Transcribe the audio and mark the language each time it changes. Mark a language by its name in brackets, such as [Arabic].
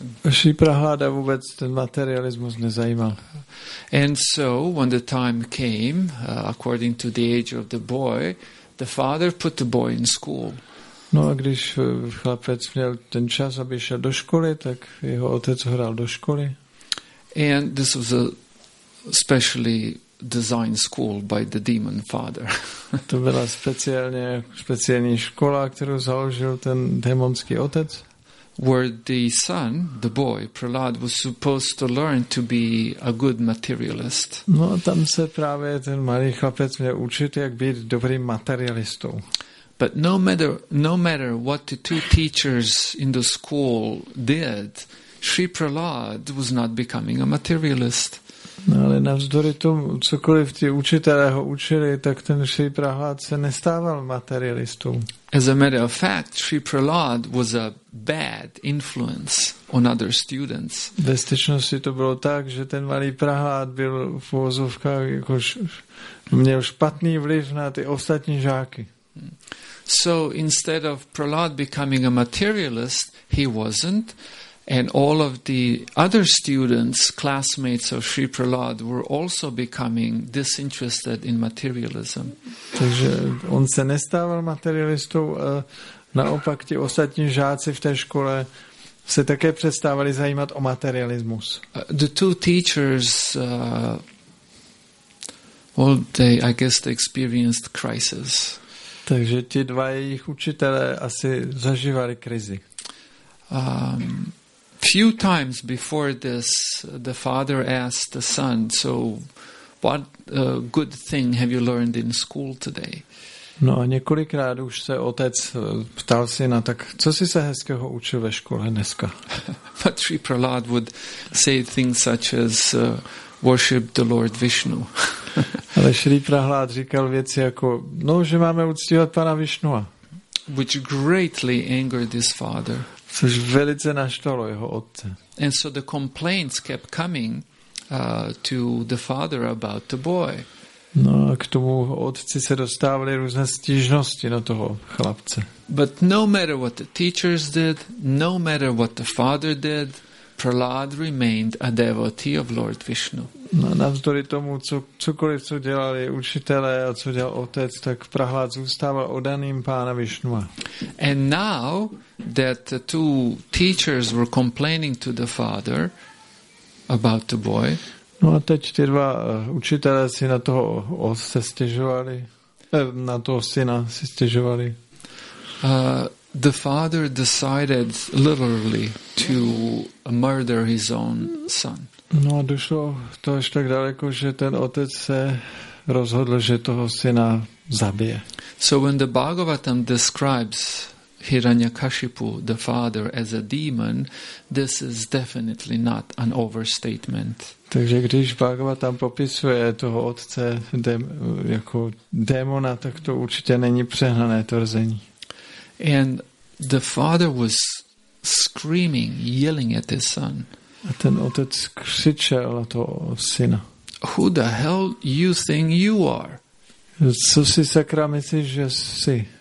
[Czech] Sri Prahlada vůbec ten materialismus nezajímal. [English] And so when the time came, according to the age of the boy, the father put the boy in school. [Czech] No a když chlapec měl ten čas, aby šel do školy, tak jeho otec ho dal do školy. [English] And this was a specially designed school by the demon father. [Czech] To byla speciální škola, kterou založil ten démonský otec. [English] Where the son, the boy, Prahlad, was supposed to learn to be a good materialist. [Czech] No a tam se právě ten malý chlapec měl učit, jak být dobrým materialistou. [English] But no matter what the two teachers in the school did, Sri Prahlad was not becoming a materialist. [Czech] No, ale navzdory tomu, cokoliv ti učitelé ho učili, tak ten Sri Prahlad se nestával materialistou. [English] As a matter of fact, Sri Prahlad was a bad influence on other students. [Czech] Ve skutečnosti to bylo tak, že ten malý Prahlad byl v uvozovkách měl špatný vliv na ty ostatní žáky. [English] So instead of Prahlad becoming a materialist, he wasn't, and all of the other students, classmates of Sri Prahlad, were also becoming disinterested in materialism. [Czech] Takže on se nestával materialistou, a naopak ti ostatní žáci v té škole se také přestávali zajímat o materialismus. [English] The two teachers, well, they, I guess, they experienced crisis. [Czech] Takže ti dva jejich učitelé asi zažívali krizi. [English] Few times before this, the father asked the son, "So, what good thing have you learned in school today?" [Czech] No, a několikrát už se otec ptal syna, tak co jsi se hezkého učil ve škole dneska? [English] But Sri Prahlad would say things such as, "Worship the Lord Vishnu." [Czech] Ale Sri Prahlad říkal věci jako, no, že máme uctívat pana Vishnua. [English] Which greatly angered his father. [Czech] Což velice naštvalo jeho otce. [English] And so the complaints kept coming to the father about the boy. [Czech] No a k tomu otci se dostávaly různé stížnosti na toho chlapce. [English] But no matter what the teachers did, no matter what the father did, Prahlad remained a devotee of Lord Vishnu. [Czech] No, navzdory tomu, cokoliv, co dělali učitelé a co dělal otec, tak Prahlad zůstával oddaným pána Vishnua. [English] And now that the two teachers were complaining to the father about the boy. [Czech] No a teď ty dva učitelé si na toho se stěžovali. Na toho syna si stěžovali. [English] The father decided literally to murder his own son. [Czech] No a došlo to až tak daleko, že ten otec se rozhodl, že toho syna zabije. [English] So when the Bhagavatam describes Hiranyakashipu, the father, as a demon, this is definitely not an overstatement. [Czech] Takže když Bhagava tam popisuje toho otce jako démona, tak to určitě není přehnané tvrzení. [English] And the father was screaming, yelling at his son. [Czech] A ten otec křičel na toho syna. [English] Who the hell you think you are? [Czech] Co si sakra myslíš, že jsi?